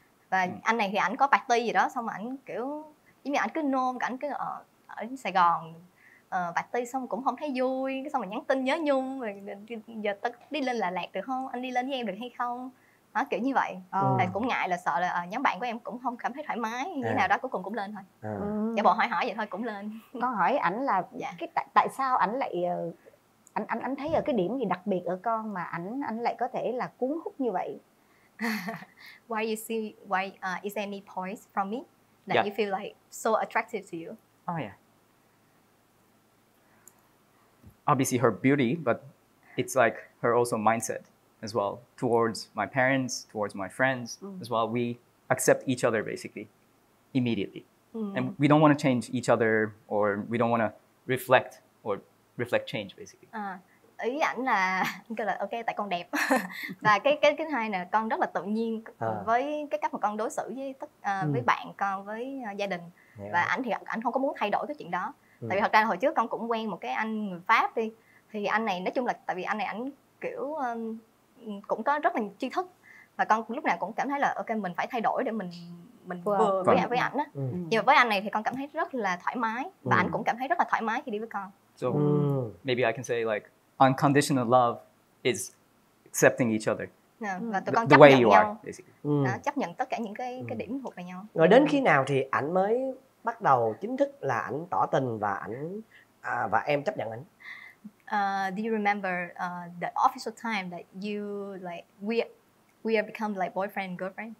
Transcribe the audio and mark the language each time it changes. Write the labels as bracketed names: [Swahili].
[Vietnamese] Và anh này thì ảnh có party gì đó, xong ảnh kiểu giống như ảnh cứ nôn, ảnh cứ ở Sài Gòn party xong cũng không thấy vui, xong rồi nhắn tin nhớ nhung, rồi giờ tất đi lên Đà Lạt được không, anh đi lên với em được hay không. Đó, kiểu như vậy. Thì cũng ngại là sợ là nhóm bạn của em cũng không cảm thấy thoải mái như thế nào đó, cuối cùng cũng lên thôi. Giả bộ hỏi vậy thôi cũng lên. Con hỏi ảnh là cái tại sao ảnh lại anh thấy ở cái điểm gì đặc biệt ở con mà anh lại có thể là cuốn hút như vậy. [English] Why you see why is there any points from me that you feel like so attractive to you? Oh yeah. Obviously her beauty, but it's like her also mindset as well towards my parents, towards my friends as well. We accept each other basically immediately. And we don't want to change each other, or we don't want to reflect change basically. [Vietnamese] Ý ảnh là kêu là ok tại con đẹp. Và cái thứ hai là con rất là tự nhiên với cái cách mà con đối xử với với bạn con, với gia đình. Và ảnh thì ảnh không có muốn thay đổi cái chuyện đó. Tại vì thật ra hồi trước con cũng quen một cái anh người Pháp đi, thì anh này nói chung là tại vì anh này ảnh kiểu cũng có rất là tri thức, và con lúc nào cũng cảm thấy là ok mình phải thay đổi để mình vừa với ảnh á. Nhưng mà với anh này thì con cảm thấy rất là thoải mái, và ảnh cũng cảm thấy rất là thoải mái khi đi với con. [English] So maybe I can say like unconditional love is accepting each other. [Vietnamese] Và tụi con chấp nhận nhau, chấp nhận tất cả những cái điểm thuộc về nhau. Rồi đến khi nào thì ảnh mới bắt đầu chính thức là ảnh tỏ tình và ảnh và em chấp nhận ảnh? [English] Do you remember the official time that you like we have become like boyfriend and girlfriend?